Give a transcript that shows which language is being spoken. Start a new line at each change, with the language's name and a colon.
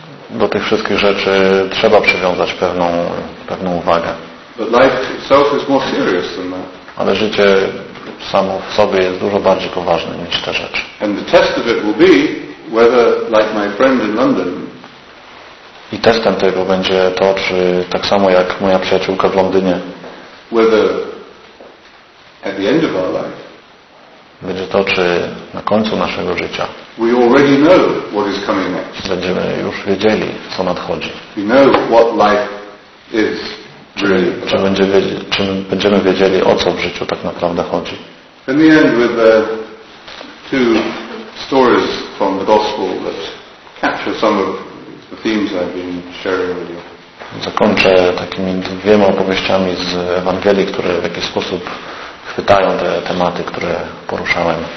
Polish: Do tych wszystkich rzeczy trzeba przywiązać pewną uwagę.
English: But life itself is more serious than that.
Polish: Ale życie samo w sobie jest dużo bardziej poważne niż te rzeczy.
English: And the test of it will be whether, like my friend in London.
Polish: I testem tego będzie to, czy tak samo jak moja przyjaciółka w Londynie.
English: Whether at the end of our life.
Polish: Będzie to, czy na końcu naszego życia
English: we already know what is coming next.
Polish: Będziemy już wiedzieli, co nadchodzi.
English: We know what life is really about.
Polish: Czy będziemy wiedzieli, o co w życiu tak naprawdę chodzi.
English: In the end with the two stories from the gospel that capture some of the themes I've been sharing with you.
Polish: Zakończę takimi dwiema opowieściami z Ewangelii, które w jakiś sposób chwytają te tematy, które poruszałem.